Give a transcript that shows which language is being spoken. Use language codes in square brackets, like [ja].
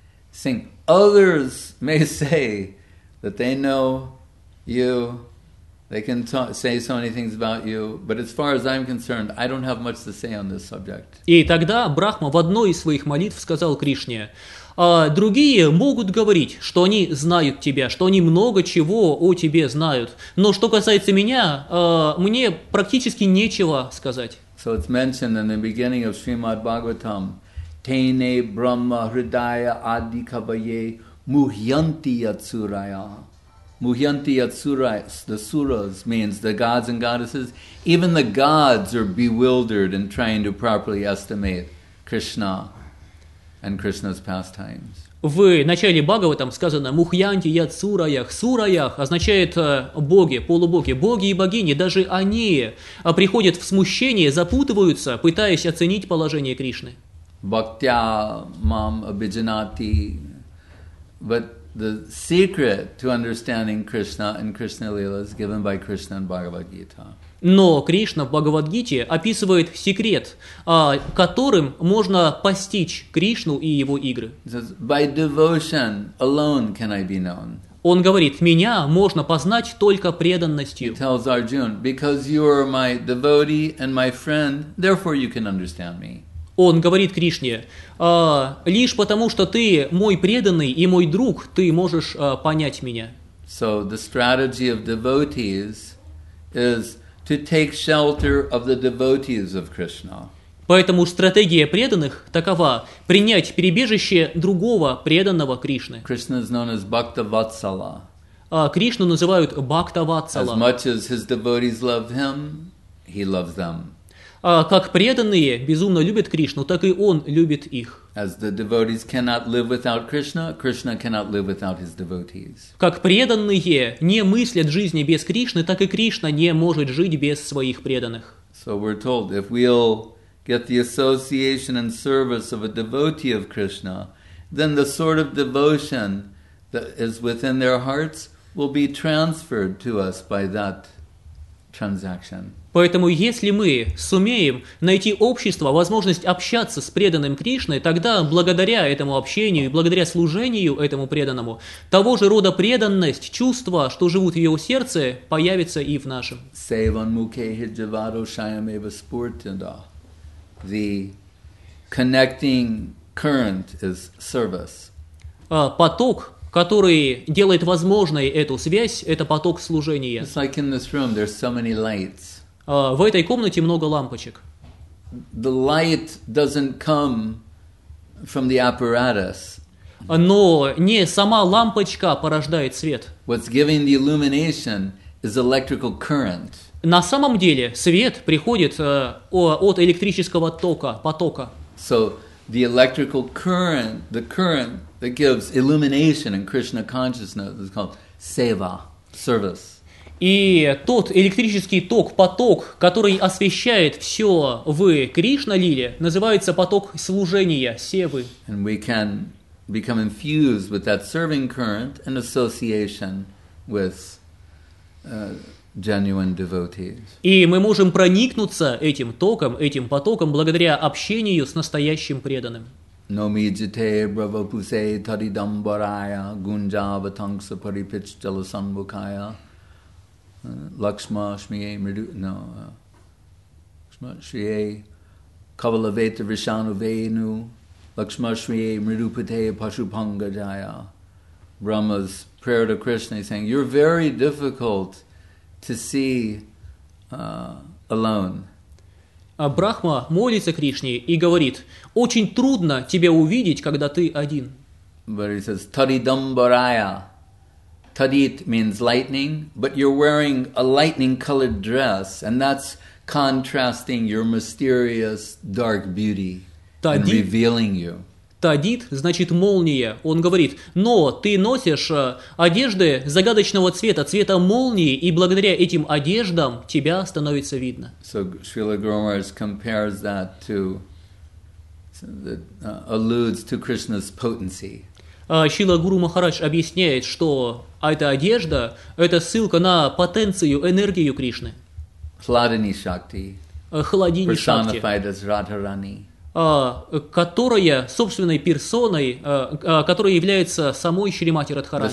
[en] Saying, others may say that they know you, they can say so many things about you, but as far as I'm concerned, I don't have much to say on this subject. [ru] И тогда Брахма в одной из своих молитв сказал Кришне, другие могут говорить, что они знают тебя, что они много чего о тебе знают. Но что касается меня, мне практически нечего сказать. [en] So it's mentioned in the beginning of Srimad Bhagavatam, [sa] Tene Brahma Hridaya Adikabaye Muhyanti Yatsuraya. Muhyanti Yatsuraya, [en] the suras, means the gods and goddesses. Even the gods are bewildered in trying to properly estimate Krishna. And Krishna's pastimes. [ru] В начале Бхагаватам сказано [sa] «Мухьянти Яцураях». [ru] «Сураях» означает «боги», «полубоги». Боги и богини, даже они приходят в смущение, запутываются, пытаясь оценить положение Кришны. [sa] Бхактя мам абиджанати. [en] But the secret to understanding Krishna in Krishna Lila is given by Krishna in Bhagavad Gita. [ru] Но Кришна в Бхагавад-гите описывает секрет, которым можно постичь Кришну и его игры. [en] By devotion alone can I be known. [ru] Он говорит, меня можно познать только преданностью. [en] He tells Arjuna, because you are my devotee and my friend, therefore you can understand me. [ru] Он говорит Кришне, лишь потому что ты мой преданный и мой друг, ты можешь понять меня. [en] So the strategy of devotees is to take shelter of the devotees of Krishna. [ru] Поэтому стратегия преданных такова: принять прибежище другого преданного Кришны. [en] Krishna is known as Bhakta Vatsala. [ru] Кришну называют Бхакта Ватсала. [en] As much as his devotees love him, he loves them. [ru] Как преданные безумно любят Кришну, так и он любит их. [en] As the devotees cannot live without Krishna, Krishna cannot live without his devotees. [ru] Как преданные не мыслят жизни без Кришны, так и Кришна не может жить без своих преданных. [en] So we're told, if we'll get the association and service of a devotee of Krishna, then the sort of devotion that is within their hearts will be transferred to us by that transaction. [ru] Поэтому если мы сумеем найти общество, возможность общаться с преданным Кришной, тогда благодаря этому общению и благодаря служению этому преданному, того же рода преданность, чувства, что живут в его сердце, появится и в нашем. [sa] Сейван мукехи джавадо шаямева спуртинда. [en] The connecting current is service. [ru] Поток, который делает возможной эту связь, это поток служения. [en] It's like in this room, there's so many lights. [ru] В этой комнате много лампочек. [en] The light doesn't come from the apparatus. [ru] Но не сама лампочка порождает свет. [en] What's giving the illumination is electrical current. [ru] На самом деле свет приходит от электрического тока, потока. [en] So the electrical current, the current that gives illumination in Krishna consciousness is called seva, service. [ru] И тот электрический ток, поток, который освещает все в Кришна-лиле, называется поток служения, севы. [en] And we can become infused with that serving current and association with genuine devotees. [ru] И мы можем проникнуться этим током, этим потоком, благодаря общению с настоящим преданным. [sa] Номи джите бравапусе тадидамбарая гунджава тангса парипич джаласанбукая. Lakshma Shmiye Mridu no Lakshma Shriye Kavalaveta Vishanu Venu Lakshma Shriye Mridupateya Pashupanga Jaya. [en] Brahma's prayer to Krishna, he's saying, you're very difficult to see alone. [ru] Брахма молится Кришне и говорит, очень трудно тебя увидеть, когда ты один. [en] But he says, Tadidambaraya. Tadit means lightning, but you're wearing a lightning-colored dress, and that's contrasting your mysterious dark beauty and revealing you. [ru] Тадит значит молния, он говорит, но ты носишь одежды загадочного цвета, цвета молнии, и благодаря этим одеждам тебя становится видно. [en] So Srila Gurumaharaj compares that to, that alludes to Krishna's potency. [ru] Шрила Гуру Махарадж объясняет, что эта одежда – это ссылка на потенцию, энергию Кришны. [sa] Хладини Шакти. Хладини Шакти. [en] Personified as Радхарани. [ru] Которая собственной персоной, которая является самой Шримати Радхарани.